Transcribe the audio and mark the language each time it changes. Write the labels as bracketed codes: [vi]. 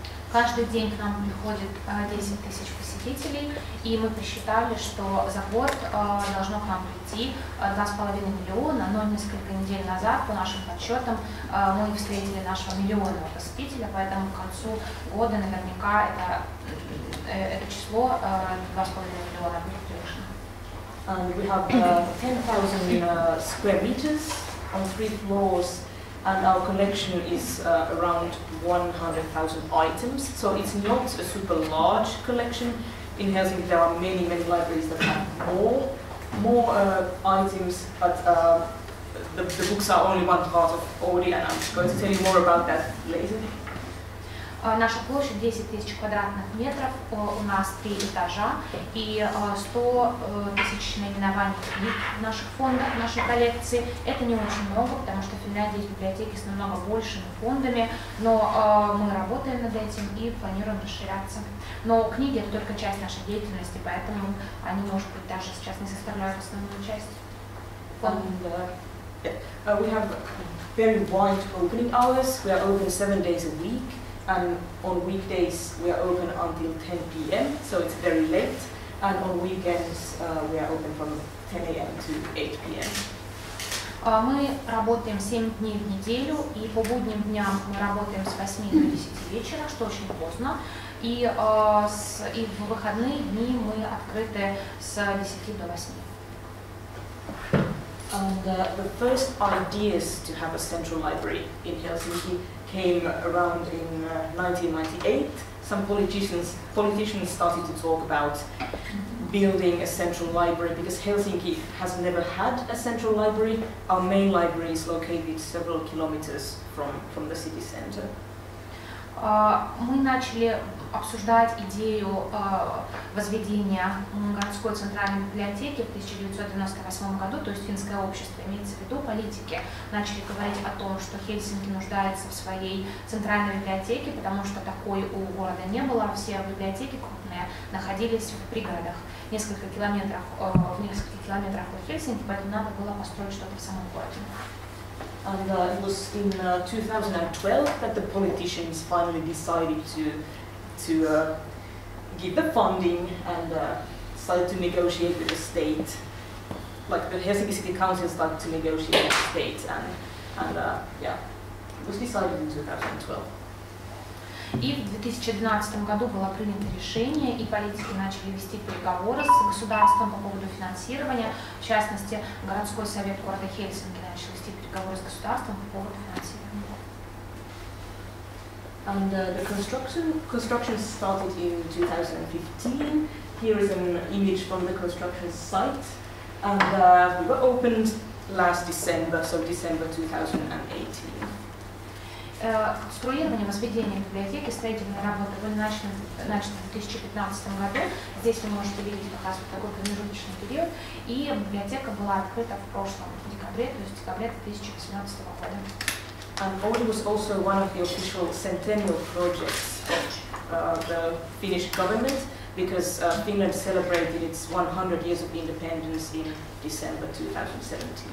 [ru] Каждый день к нам приходит 10 тысяч посетителей, и мы посчитали, что за год должно к нам прийти 2,5 миллиона, но несколько недель назад, по нашим подсчетам, мы встретили нашего миллионного посетителя, поэтому к концу года наверняка это число 2,5 миллиона будет превышено. [en] And we have 10,000 square meters on three floors. And our collection is around 100,000 items, so it's not a super large collection. In Helsinki, there are many, many libraries that have more items, but the books are only one part of Oodi, and I'm going to tell you more about that later. [ru] Наша площадь 10 тысяч квадратных метров, у нас 3 этажа и 100 тысяч наименований книг в наших фондах, в нашей коллекции. Это не очень много, потому что в Финляндии есть библиотеки с намного большими фондами, но мы работаем над этим и планируем расширяться. Но книги – это только часть нашей деятельности, поэтому они, может быть, даже сейчас не составляют основную часть фонда. [en] We have very wide opening hours. We are open 7 days a week. And on weekdays we are open until 10 p.m., so it's very late. And on weekends we are open from 10 a.m. to 8 p.m. [ru] Мы работаем 7 дней в неделю, и по будним дням мы работаем с 8 до 10 вечера, что очень поздно. И в выходные дни мы открыты с 10 до 8. [en] And the first ideas to have a central library in Helsinki came around in 1998. Some politicians started to talk about building a central library because Helsinki has never had a central library. Our main library is located several kilometers from the city center. [ru] Мы начали обсуждать идею возведения городской центральной библиотеки в 1998 году, то есть финское общество, имеется в виду политики, начали говорить о том, что Хельсинки нуждается в своей центральной библиотеке, потому что такой у города не было, все библиотеки крупные находились в пригородах, в нескольких километрах от Хельсинки, поэтому надо было построить что-то в самом городе. [en] And it was in 2012 that the politicians finally decided to give the funding and started to negotiate with the state. Like the Helsinki City Council started to negotiate with the state and it was decided in 2012. [ru] И в 2012 году было принято решение, и политики начали вести переговоры с государством по поводу финансирования. В частности, городской совет города Хельсинки начал вести переговоры с государством по поводу финансирования. [en] And the construction started in 2015. Here is an image from the construction site. And we were opened last December, so December 2018. [ru] Конструирование, возведение библиотеки, строительные работы были начаты в 2015 году. Здесь вы можете видеть как раз вот такой промежуточный период. И библиотека была открыта в прошлом декабре, то есть в декабре 2018 года. [en] And Oodi was also one of the official centennial projects of the Finnish government. because Finland celebrated its 100 years of independence in December 2017.